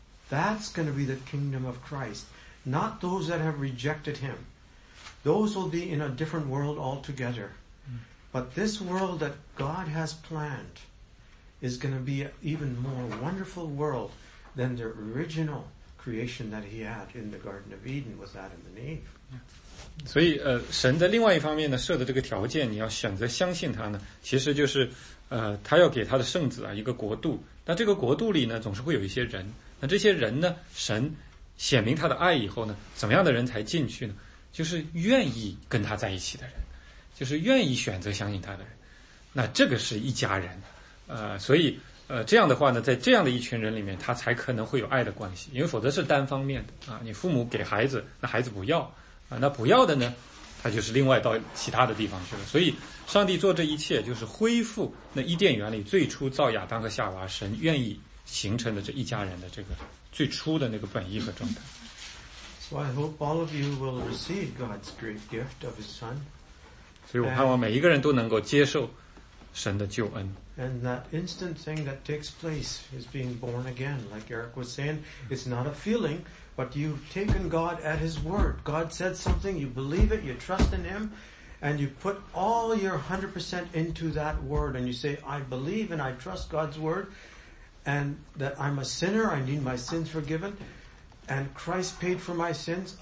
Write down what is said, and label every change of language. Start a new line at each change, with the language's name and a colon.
English: That's going to be the kingdom of Christ. Not those that have rejected Him. Those will be in a different world altogether. But this world that God has planned is going to be an even more wonderful world than the original creation that He had in the Garden of Eden with Adam and Eve.
Chinese: 所以神的另外一方面呢设的这个条件你要选择相信他呢其实就是他要给他的圣子啊一个国度那这个国度里呢总是会有一些人那这些人呢神显明他的爱以后呢怎么样的人才进去呢就是愿意跟他在一起的人就是愿意选择相信他的人那这个是一家人所以这样的话呢在这样的一群人里面他才可能会有爱的关系因为否则是单方面的啊你父母给孩子那孩子不要啊，那不要的呢他就是另外到其他的地方去了所以上帝做这一切就是恢复那伊甸园里最初造亚当和夏娃神愿意形成的这一家人的这个最初的那个本意和状态
English: So I hope all of you will receive God's great gift of His Son
Chinese: 所以我盼望每一个人都能够接受神的救恩
English: And that instant thing that takes place is being born again like Eric was saying it's not a feelingBut you've taken God at His word. God said something, you believe it, you trust in Him, and you put all your 100% into that word, and you say, I believe and I trust God's word, and that I'm a sinner, I need my sins forgiven, and Christ paid for my sins.